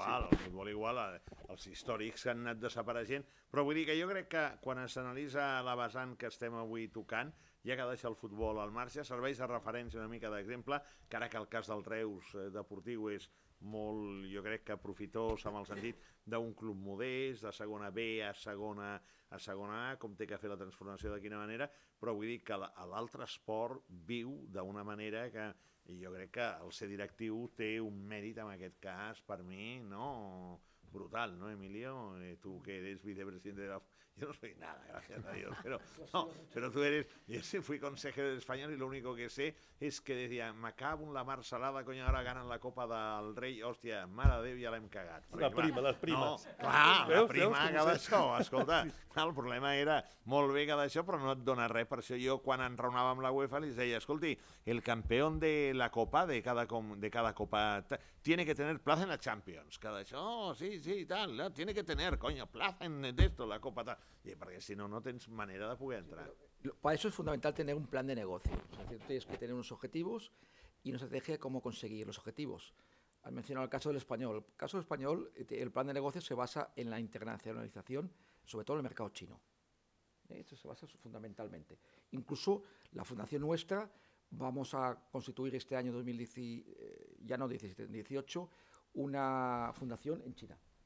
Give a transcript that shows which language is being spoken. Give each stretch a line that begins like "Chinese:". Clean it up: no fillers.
Catalan: El futbol igual, els històrics han anat desapareixent, però vull dir que jo crec que quan s'analitza la vessant que estem avui tocant, ja que deixa el futbol al marge, serveix de referència una mica d'exemple, que ara que el cas del Reus Deportiu és molt, jo crec que profitós amb el sentit d'un club modest, de segona B a segona A, com té que fer la transformació, de quina manera, però vull dir que l'altre esport viu d'una manera que jo crec que el ser directiu té un mèrit en aquest cas, per mi, no?
Spanish: Brutal, no, Emilio? Tu que eres vicepresidente de la... Yo no soy nada, gracias a Dios, pero tú eres... Yo sí fui consejero de español y lo único que sé es que decía, me acabo en la mar salada, coño, ahora ganan la Copa del Rey,
Catalan: hòstia, mare de Déu, ja l'hem cagat. Perquè, les primes. No, clar, veus, la prima que d'això, escolta, el problema era molt bé que d'això, però no et dona res. Per això jo, quan enraonava amb la UEFA, li deia, escolti, el campió de la Copa, de cada Copa,
Spanish: tiene que tener plaza en la Champions,
Catalan: que d'això, sí, tal, no?
Spanish: Tiene que tener, coño, plaza en esto, la Copa, tal.
Catalan: Perquè si no, no tens manera de poder entrar. Sí, però,
Spanish: para eso es fundamental tener un plan de negocio. Es decir, tienes que tener unos objetivos y una estrategia de cómo conseguir los objetivos. Has mencionado el caso del español. El caso del español, el plan de negocio se basa en la internacionalización, sobre todo en el mercado chino. Esto se basa fundamentalmente. Incluso la fundación nuestra, vamos a constituir este año 2018, una fundación en China.